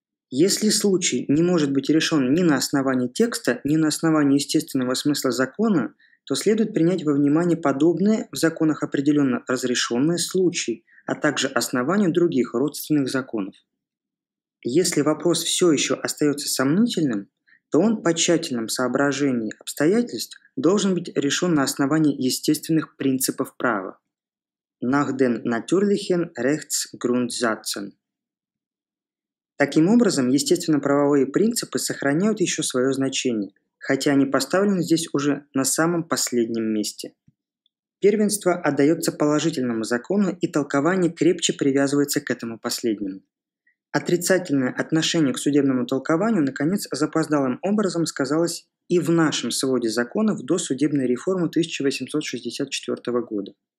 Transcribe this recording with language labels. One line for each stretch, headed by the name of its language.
Russian: Если случай не может быть решен ни на основании текста, ни на основании естественного смысла закона, то следует принять во внимание подобные в законах определенно разрешенные случаи, а также основания других родственных законов. Если вопрос все еще остается сомнительным, то он по тщательном соображении обстоятельств должен быть решен на основании естественных принципов права.
German: Nach den natürlichen Rechtsgrundsätzen.
Russian: Таким образом, естественно-правовые принципы сохраняют еще свое значение, хотя они поставлены здесь уже на самом последнем месте. Первенство отдается положительному закону, и толкование крепче привязывается к этому последнему. Отрицательное отношение к судебному толкованию, наконец, запоздалым образом сказалось и в нашем своде законов до судебной реформы 1864 года.